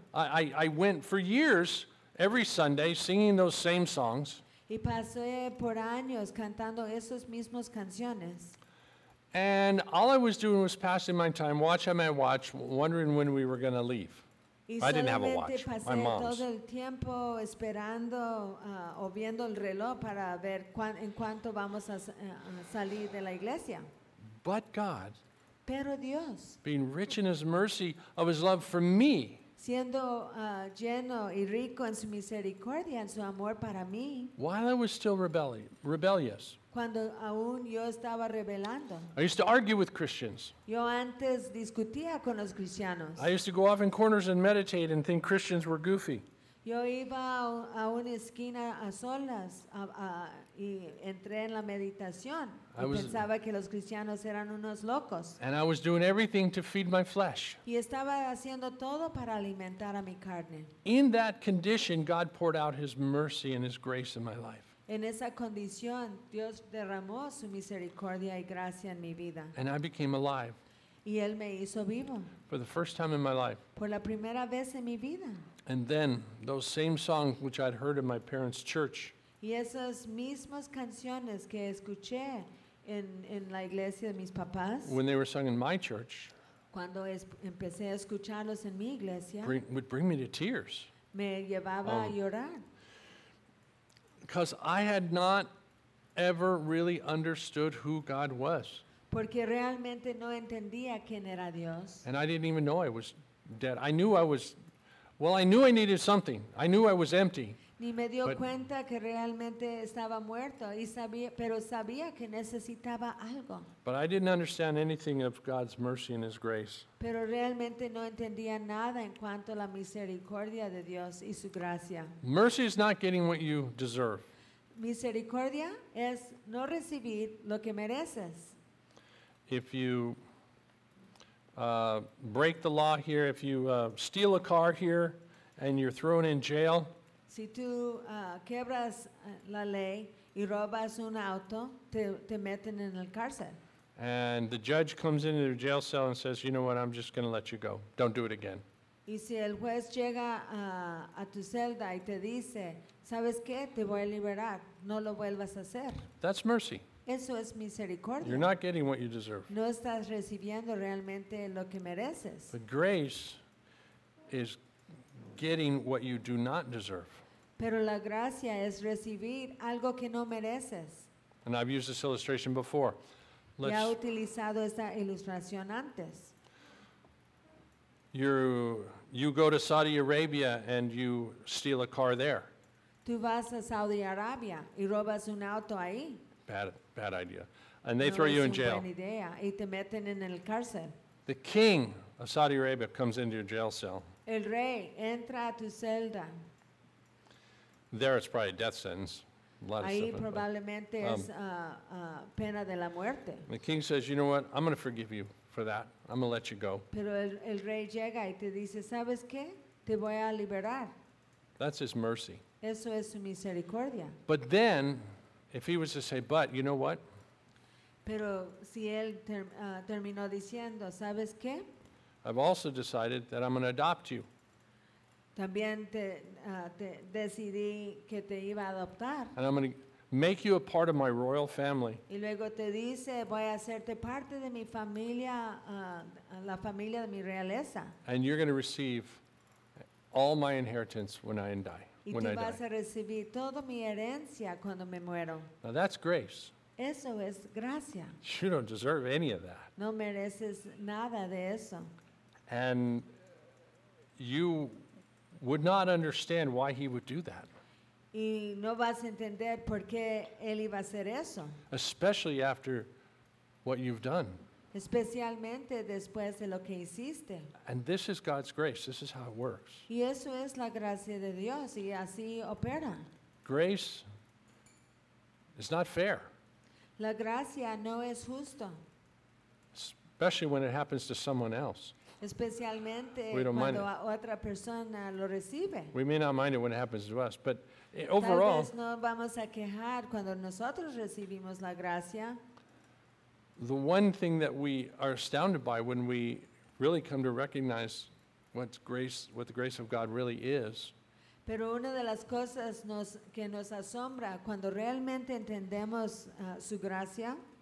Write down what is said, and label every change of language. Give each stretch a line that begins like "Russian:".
English: I went for years every Sunday singing those same songs.
Spanish: Y pasé por años cantando esos mismos canciones.
English: And all I was doing was passing my time, watch on my watch, wondering when we were going to leave. I didn't have a watch. My mom's.
Spanish: Todo el tiempo esperando o viendo el reloj para ver en cuánto vamos a salir de la iglesia.
English: But God,
Spanish: pero Dios,
English: being rich in his mercy of his love for me,
Spanish: siendo lleno y rico en su misericordia, en su amor para mí.
English: While I was still rebellious.
Spanish: Cuando aún yo estaba rebelando.
English: I used to argue with Christians.
Spanish: Yo antes discutía con los cristianos.
English: I used to go off in corners and meditate and think Christians were goofy.
Spanish: Yo iba a una esquina a solas y entré en la meditación y pensaba que los cristianos eran unos locos.
English: And I was doing everything to feed my flesh.
Spanish: Y estaba haciendo todo para alimentar a mi carne.
English: In that condition, God poured out His mercy and His grace in my life.
Spanish: En esa condición, Dios derramó su misericordia y gracia en mi vida.
English: And I became alive.
Spanish: Y Él me hizo vivo.
English: For the first time in my life.
Spanish: Por la primera vez en mi vida.
English: And then those same songs which I'd heard in my parents' church.
Spanish: Y esas mismas canciones que escuché en la iglesia de mis papás.
English: When they were sung in my church.
Spanish: Cuando empecé a escucharlos en mi iglesia.
English: Would bring me to tears.
Spanish: Me llevaba a llorar.
English: Because I had not ever really understood who God was.
Spanish: Porque realmente no entendía quién era Dios.
English: And I didn't even know I was dead. I knew I was. Well, I knew I needed something. I knew I was empty.
Spanish: Ni me dio cuenta que realmente estaba muerto, pero sabía que necesitaba algo.
English: But I didn't understand anything of God's mercy and His grace.
Spanish: Pero realmente no entendía nada en cuanto a la misericordia de Dios y su gracia.
English: Mercy is not getting what you deserve.
Spanish: Misericordia es no recibir lo que mereces.
English: If you break the law here, if you steal a car here and you're thrown in jail.
Spanish: Si tú quebras la ley y robas un auto, te meten en el cárcel.
English: And the judge comes into the jail cell and says, you know what, I'm just going to let you go. Don't do it again.
Spanish: Y si el juez llega a tu celda y te dice, ¿sabes qué? Te voy a liberar. No lo vuelvas a hacer.
English: That's mercy.
Spanish: Eso es misericordia.
English: You're not getting what you deserve.
Spanish: No estás recibiendo realmente lo que mereces.
English: But grace is getting what you do not deserve.
Spanish: Pero la gracia es recibir algo que no mereces.
English: And I've used this illustration before.
Spanish: Let's, ya he utilizado esta ilustración antes.
English: You go to Saudi Arabia and you steal a car there.
Spanish: Tú vas a Saudi Arabia y robas un auto ahí.
English: Bad idea. And they throw you in jail.
Spanish: Y te meten en el cárcel.
English: The king of Saudi Arabia comes into your jail cell.
Spanish: El rey entra a tu celda.
English: There it's probably a death sentence. A lot
Spanish: ahí
English: of stuff
Spanish: probablemente es pena de la muerte.
English: The king says, you know what? I'm going to forgive you for that. I'm going to let you go.
Spanish: Pero el rey llega y te dice, ¿sabes qué? Te voy a liberar.
English: That's his mercy.
Spanish: Eso es su misericordia.
English: But then, if he was to say, but, you know what?
Spanish: Pero si él terminó diciendo, ¿sabes qué?
English: I've also decided that I'm going to adopt you.
Spanish: También te decidí que te iba a adoptar.
English: And I'm going to make you a part of my royal family.
Spanish: Y luego te dice, voy a hacerte parte de mi familia, la familia de mi realeza.
English: And you're going to receive all my inheritance when I die.
Spanish: Y tú vas a recibir toda mi herencia cuando me muero.
English: Now that's grace.
Spanish: Eso es gracia.
English: You don't deserve any of that.
Spanish: No mereces nada de eso.
English: And you would not understand why he would do that.
Spanish: Y no vas a entender por qué él iba a hacer eso.
English: Especially after what you've done.
Spanish: Especialmente después de lo que hiciste.
English: And this is God's grace. This is how it works.
Spanish: Y eso es la gracia de Dios, y así opera.
English: Grace is not fair.
Spanish: La gracia no es justo.
English: Especially when it happens to someone else.
Spanish: Especialmente cuando a otra persona lo recibe.
English: We may not mind it when it happens to us, but overall.
Spanish: Tal vez no vamos a quejar cuando nosotros recibimos la gracia.
English: The one thing that we are astounded by when we really come to recognize what the grace of God really is.
Spanish: Pero una de las cosas que nos asombra cuando realmente entendemos su gracia.